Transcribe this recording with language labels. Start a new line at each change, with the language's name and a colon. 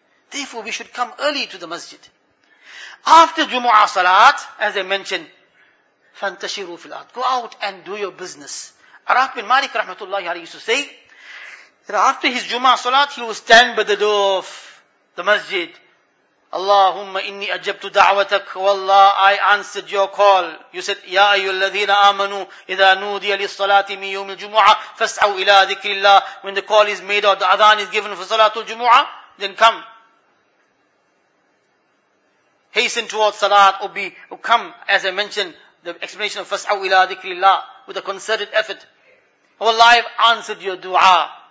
English: Therefore, we should come early to the masjid. After Jumu'ah Salat, as I mentioned,
Arabic: فَانْتَشِرُوا فِي الْأَرْضِ.
English: Go out and do your business. Araf bin Malik, rahmatullahi alayhi, used to say, that after his Jumu'ah Salat, he would stand by the door of the masjid.
Arabic: Allahumma inni ajabtu da'watak.
English: Wallah, I answered your call. You said,
Arabic: يَا أَيُّ الَّذِينَ آمَنُوا إِذَا نُودِيَ لِلصَّلَاةِ مِنْ يَوْمِ الْجُمُعَةِ فَاسْعَوْا إِلَىٰ ذِكْرِ اللَّهِ.
English: When the call is made or the adhan is given for Salatul Jumu'ah, then come. Hasten towards Salat, or come, as I mentioned, the explanation of Fas'aw ila dhikrillah, with a concerted effort. Oh Allah, I've answered your dua.